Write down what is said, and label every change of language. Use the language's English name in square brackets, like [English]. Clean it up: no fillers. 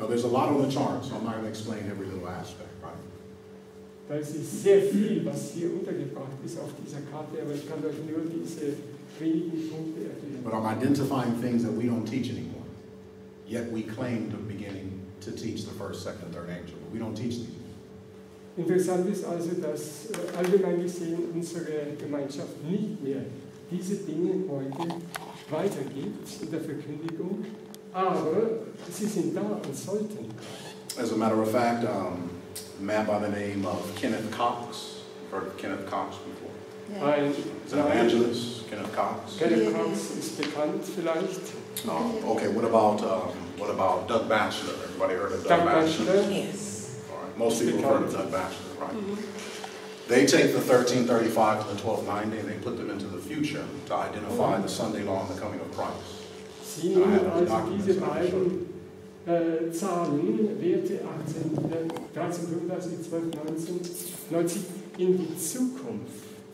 [English] Now there's a lot on the chart, so I'm not going to explain every little aspect, right? [German] Da ist sehr viel, was hier untergebracht ist auf dieser Karte, aber ich kann euch nur diese wenigen Punkte erklären. [English] But I'm identifying things that we don't teach anymore. Yet we claim the beginning to teach the first, second, third angel. But we don't teach these. [German] Interessant ist also, dass allgemein gesehen unsere Gemeinschaft nicht mehr diese Dinge heute weitergibt in der Verkündigung, aber sie sind da und sollten. [English] As a matter of fact, a man by the name of Kenneth Cox, heard of Kenneth Cox before? Yeah. He's an evangelist, Kenneth Cox. [German] Kenneth Cox ist bekannt vielleicht. [English] Okay, what about Doug Batchelor? Everybody heard of Doug Batchelor? Yes. Most people have heard of Doug Batchelor, right? Mm-hmm. They take the 1335 to the 1290 and they put them into the future to identify the Sunday law and the coming of Christ. [German] Sie nehmen also diese beiden Zahlen, Werte 1335, 1290, in die Zukunft.